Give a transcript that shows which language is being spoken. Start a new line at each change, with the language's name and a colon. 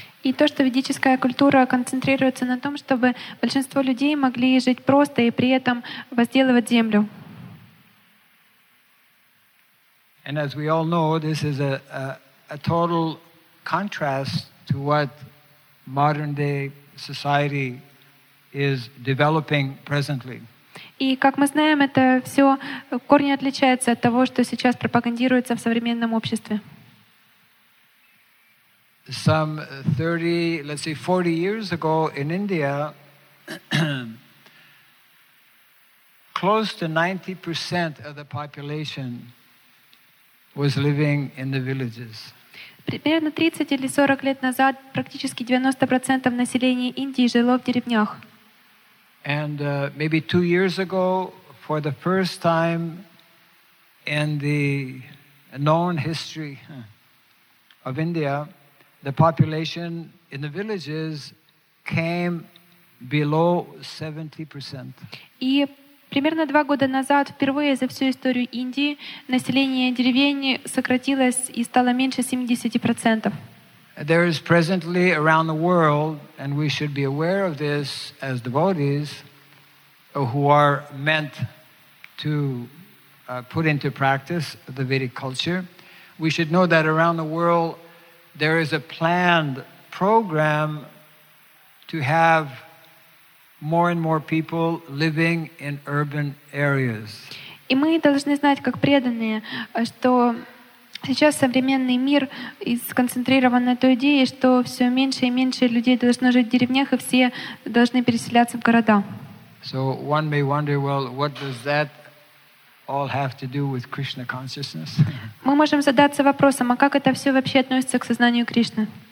Russian: И то, что ведическая культура концентрируется на том, чтобы большинство людей могли жить просто и при этом возделывать землю.
English: And as we all know, this is a total contrast to what modern day society is developing presently.
Russian: И как мы знаем, это все в корне отличается от того, что сейчас пропагандируется в современном обществе.
English: Some 30, let's say 40 years ago in India, close to 90% of the population was living in the villages.
Russian: Примерно 30 или 40 лет назад практически 90% населения Индии жило в деревнях.
English: And maybe 2 years ago, for the first time in the known history of India, the population in the villages came below 70%.
Russian: И примерно 2 года назад, впервые за всю историю Индии, население деревень сократилось и стало меньше 70%.
English: There is presently around the world, and we should be aware of this as devotees who are meant to put into practice the Vedic culture. We should know that around the world there is a planned program to have more and more people living in urban areas.
Russian: И мы должны знать, как преданные, что сейчас современный мир сконцентрирован на той идее, что все меньше и меньше людей должно жить в деревнях, и все должны переселяться в города.
English: So one may wonder, well, what does that all have to do with Krishna consciousness?
Russian: Мы можем задаться вопросом, а как это все вообще относится к сознанию Кришны?